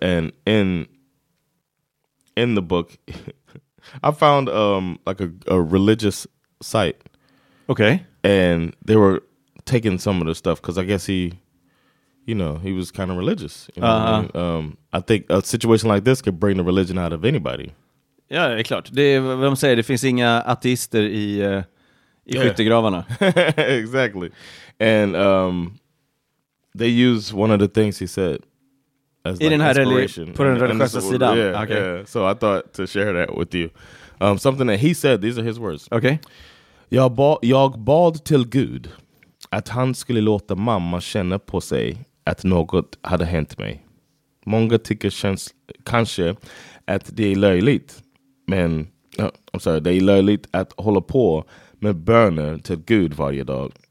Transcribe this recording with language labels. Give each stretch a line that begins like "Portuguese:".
English: And in the book... I found like a religious site. Okay. And they were taking some of the stuff because I guess he was kind of religious. You know what I mean? I think a situation like this could bring the religion out of anybody.
Swedish: Ja, det är klart. Det är vad de säger. Det finns inga ateister i skyttegravarna.
English: Exactly. And they use one of the things he said. as like, inspiration. Put it on the religious side. Yeah, okay. Yeah. So I thought to share that with you. Something that he said, these are his words. Okay.
Swedish: Jag bad till Gud att han skulle låta mamma känna på sig att något hade hänt mig. Många tycker kanske att det är löjligt, men det är löjligt att hålla på med böner till Gud varje dag.